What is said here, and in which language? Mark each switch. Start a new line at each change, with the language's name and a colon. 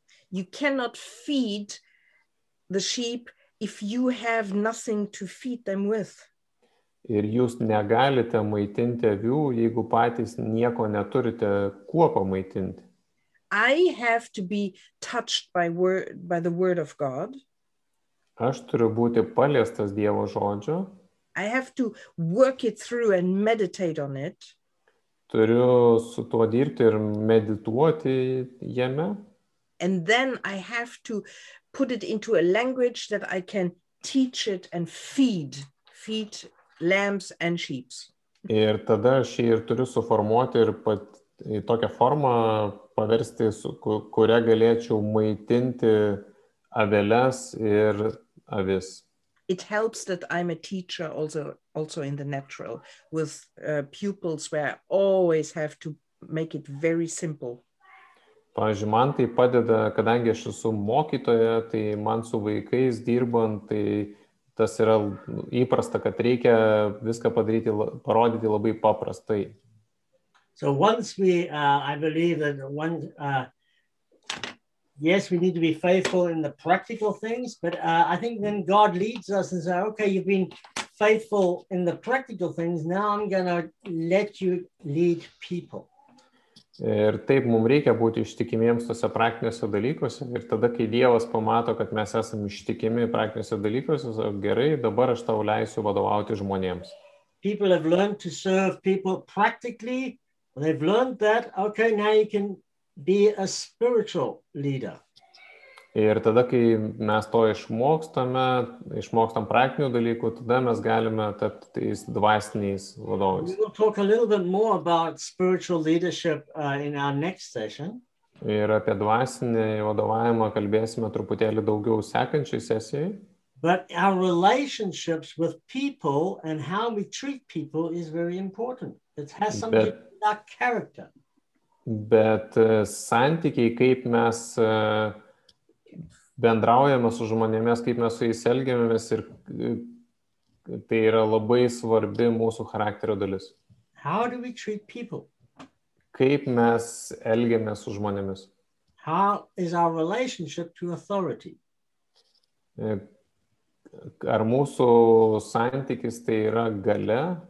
English: You cannot feed the sheep if you have nothing to feed them with.
Lithuanian: Ir jūs negalite maitinti avių, jeigu patys nieko neturite kuo pamaitinti.
English: I have to be touched by the word of God.
Lithuanian: Aš turiu būti paliestas Dievo žodžio.
English: I have to work it through and meditate on it.
Lithuanian: Turiu su tuo dirbti ir medituoti jame.
English: And then I have to put it into a language that I can teach it and feed lambs and sheep.
Lithuanian: Ir tada aš ir turiu suformuoti ir pat į tokią formą paversti, su kuria galėčiau maitinti aveles ir avis.
English: It helps that I'm a teacher also in the natural with pupils where I always have to make it very simple.
Lithuanian: Pavyzdžiui, man tai padeda, kadangi aš esu mokytoja, tai man su vaikais dirbant, tai tas yra įprasta, kad reikia viską padaryti, parodyti labai paprastai.
English: So once we, I believe that one, yes, we need to be faithful in the practical things, but I think then God leads us and says, okay, you've been faithful in the practical things, now I'm going to let you lead people.
Lithuanian: Ir taip mums reikia būti ištikimiems tose praktiniuose dalykuose. Ir tada, kai Dievas pamato, kad mes esame ištikimi praktiniuose dalykuose, gerai, dabar aš tau leisiu vadovauti žmonėms.
English: People have learned to serve people practically. They've learned that, okay, now you can be a spiritual leader.
Lithuanian: Ir tada, kai mes to išmokstam praktinių dalykų, tada mes galime tapti tais dvasiniais vadovais.
English: We'll talk a little bit more about spiritual leadership in our next session.
Lithuanian: Ir apie dvasinį vadovavimą kalbėsime truputėlį daugiau sekančiai sesijai.
English: But our relationships with people and how we treat people is very important. It has something to do with our character.
Lithuanian: Bet santykiai, kaip mes bendraujame su žmonėmis, kaip mes su jais elgiamės, ir tai yra labai svarbi mūsų charakterio dalis.
English: How do we treat people?
Lithuanian: Kaip mes elgiamės su žmonėmis?
English: How is our relationship to authority?
Lithuanian: Ar mūsų santykis tai yra galia?